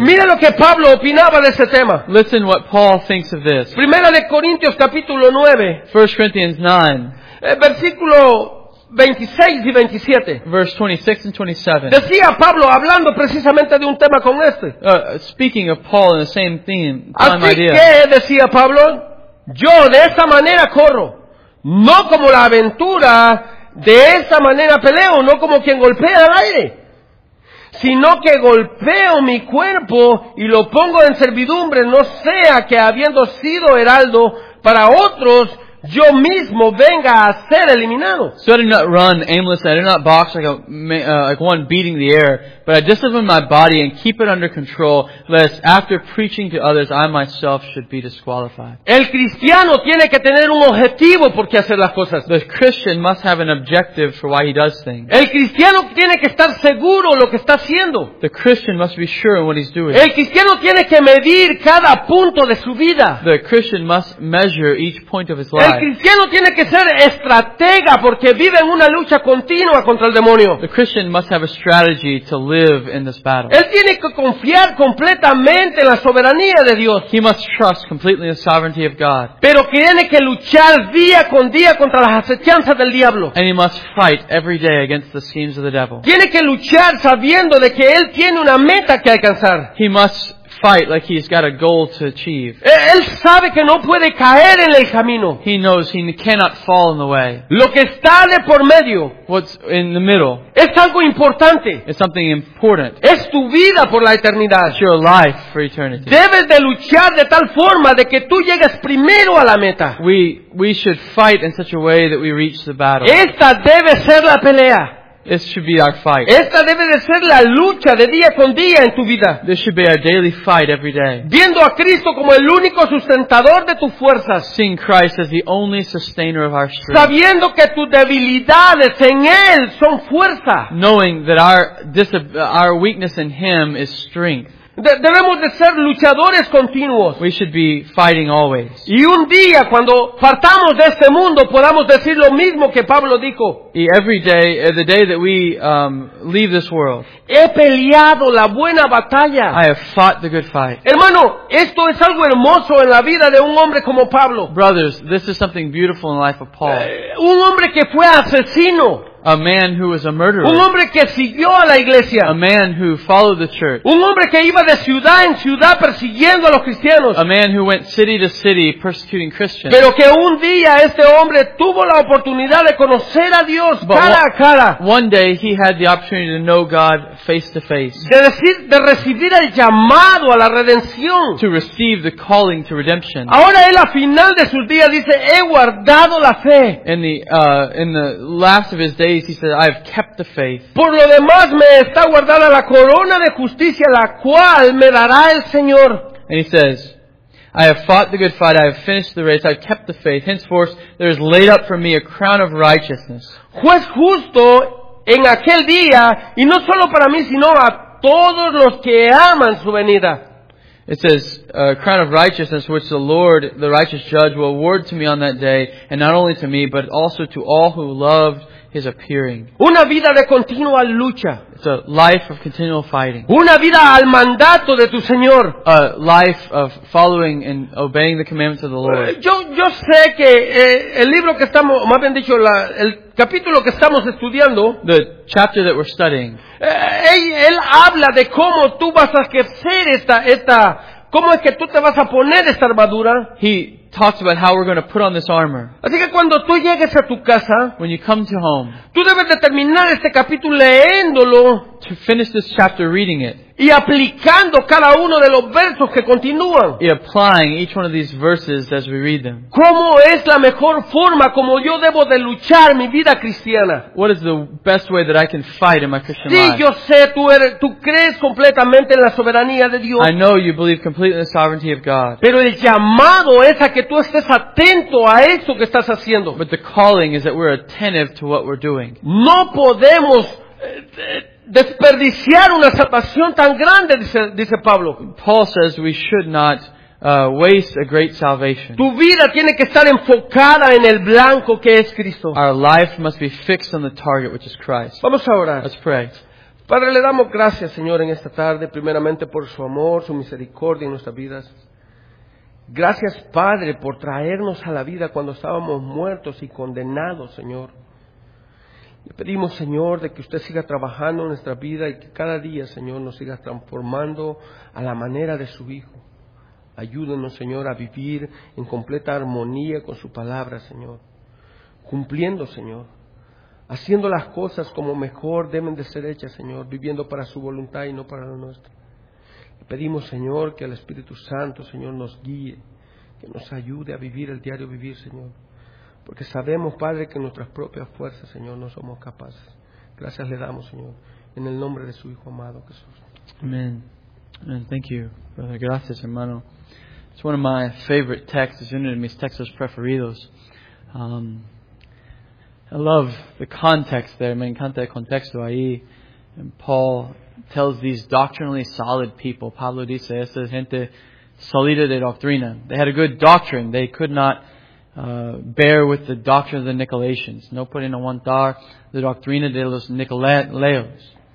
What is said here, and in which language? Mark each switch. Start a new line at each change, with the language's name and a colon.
Spanish: Mira lo que Pablo opinaba de ese tema.
English: Listen what Paul thinks of this.
Spanish: Primera de Corintios capítulo 9.
English: 1 Corinthians 9.
Spanish: Versículo 26 y 27.
English: Verse 26 and 27.
Spanish: Decía Pablo hablando precisamente de un tema con este.
English: Speaking of Paul in the same theme, same idea.
Spanish: Así que decía Pablo, yo de esta manera corro, no como la aventura, de esta manera peleo, no como quien golpea al aire, sino que golpeo mi cuerpo y lo pongo en servidumbre, no sea que habiendo sido heraldo para otros, yo mismo venga a ser eliminado.
English: So I do not run aimlessly. I do not box like one beating the air. But I discipline my body and keep it under control, lest after preaching to others, I myself should be disqualified.
Spanish: El cristiano tiene que tener un objetivo por qué hacer las cosas.
English: The Christian must have an objective for why he does things.
Spanish: El cristiano tiene que estar seguro lo que está haciendo.
English: The Christian must be sure in what he's doing.
Spanish: El cristiano tiene que medir cada punto de su vida.
English: The Christian must measure each point of his life.
Spanish: El cristiano tiene que ser estratega porque vive en una lucha continua contra el demonio.
English: The Christian must have a strategy to live in this battle.
Spanish: Él tiene que confiar completamente en la soberanía de Dios.
English: He must trust completely in the sovereignty of God.
Spanish: Pero tiene que luchar día con día contra las acechanzas del diablo.
English: And he must fight every day against the schemes of the devil.
Spanish: Tiene que luchar sabiendo de que él tiene una meta que alcanzar.
English: He must fight like he's got a goal to achieve.
Spanish: Él sabe que no puede caer en el camino.
English: He knows he cannot fall in the way.
Spanish: Lo que está de por medio.
English: What's in the middle.
Spanish: Es algo importante.
English: It's something important.
Spanish: Es tu vida por la eternidad.
English: It's your life for eternity.
Spanish: Debes de luchar de tal forma de que tú llegues primero a la meta.
English: We should fight in such a way that we reach the battle.
Spanish: Esta debe ser la pelea.
English: This should be our fight.
Spanish: Esta debe de ser la lucha de día con día en tu vida.
English: This should be our daily fight every day.
Spanish: Viendo a Cristo como el único sustentador de tus fuerzas.
English: Seeing Christ as the only sustainer of our strength.
Spanish: Sabiendo que tus debilidades en Él son fuerza.
English: Knowing that our weakness in Him is strength.
Spanish: Debemos de ser luchadores continuos.
English: We should be fighting always.
Spanish: Y un día cuando partamos de este mundo podamos decir lo mismo que Pablo dijo.
English: Every day, the day that we leave this world.
Spanish: He peleado la buena batalla.
English: I have fought the good fight.
Spanish: Hermano, esto es algo hermoso en la vida de un hombre como Pablo.
English: Brothers, this is something beautiful in the life of Paul.
Spanish: Un hombre que fue asesino.
English: A man who was a murderer.
Spanish: Un hombre que siguió a la iglesia.
English: A man who followed the church.
Spanish: Un hombre que iba de ciudad en ciudad persiguiendo a los cristianos.
English: A man who went city to city persecuting Christians.
Spanish: Pero que un día este hombre tuvo la oportunidad de conocer a Dios cara a cara.
English: One day he had the opportunity to know God face to face.
Spanish: De recibir el llamado a la redención.
English: To receive the calling to redemption.
Spanish: Ahora él al final de sus días dice, he guardado la fe.
English: In the last of his days, he said, I have kept the faith.
Spanish: Por lo demás me está guardada la corona de justicia, la cual me dará el Señor.
English: And he says, I have fought the good fight, I have finished the race, I have kept the faith. Henceforth, there is laid up for me a crown of righteousness.
Spanish: Juez justo en aquel día, y no solo para mí, sino a todos los que aman su venida.
English: It says, a crown of righteousness which the Lord, the righteous judge, will award to me on that day, and not only to me, but also to all who loved His appearing.
Spanish: Una vida de continua lucha.
English: It's a life of continual fighting.
Spanish: Una vida al mandato de tu Señor.
English: A life of following and obeying the commandments of the Lord.
Spanish: Yo sé que el libro que estamos, más bien dicho, el capítulo que estamos estudiando.
English: The chapter that we're studying.
Spanish: Él habla de cómo tú vas a ejercer esta, cómo es que tú te vas a poner esta armadura.
English: He talked about how we're going to put on this armor.
Spanish: Así que cuando tú llegues a tu casa,
English: when you come to home,
Spanish: tú debes de terminar este capítulo leyéndolo,
English: to finish this chapter reading it,
Spanish: y aplicando cada uno de los versos que continúan.
English: Y applying each one of these verses as we read them.
Spanish: ¿Cómo es la mejor forma como yo debo de luchar mi vida cristiana?
English: What is the best way that I can fight in my Christian
Spanish: sí,
English: life?
Spanish: Sí, yo sé, tú crees completamente en la soberanía de Dios.
English: I know you believe completely in the sovereignty of God.
Spanish: Pero el llamado es a que tú estés atento a eso que estás haciendo.
English: But the calling is that we're attentive to what we're doing.
Spanish: No podemos desperdiciar una salvación tan grande, dice Pablo.
English: Paul says we should not waste a great salvation.
Spanish: Tu vida tiene que estar enfocada en el blanco que es Cristo.
English: Our life must be fixed on the target, which is Christ.
Spanish: Vamos a orar.
English: Let's pray.
Spanish: Padre, le damos gracias, Señor, en esta tarde, primeramente por su amor, su misericordia en nuestras vidas. Gracias, Padre, por traernos a la vida cuando estábamos muertos y condenados, Señor. Le pedimos, Señor, de que usted siga trabajando en nuestra vida y que cada día, Señor, nos siga transformando a la manera de su Hijo. Ayúdenos, Señor, a vivir en completa armonía con su palabra, Señor. Cumpliendo, Señor. Haciendo las cosas como mejor deben de ser hechas, Señor. Viviendo para su voluntad y no para la nuestra. Le pedimos, Señor, que el Espíritu Santo, Señor, nos guíe. Que nos ayude a vivir el diario vivir, Señor. Porque sabemos, Padre, que nuestras propias fuerzas, Señor, no somos capaces. Gracias le damos, Señor, en el nombre de su Hijo amado, Jesús.
English: Amén. Amen. Thank you, brother.
Spanish: Gracias, hermano.
English: It's one of my favorite texts. It's one of
Spanish: mis textos preferidos.
English: I love the context there.
Spanish: Me encanta el contexto ahí.
English: And Paul tells these doctrinally solid people.
Spanish: Pablo dice, esta gente solida de doctrina.
English: They had a good doctrine. They could not bear with the doctrine of the Nicolaitans.
Spanish: No pueden aguantar the doctrina de los Nicolaos.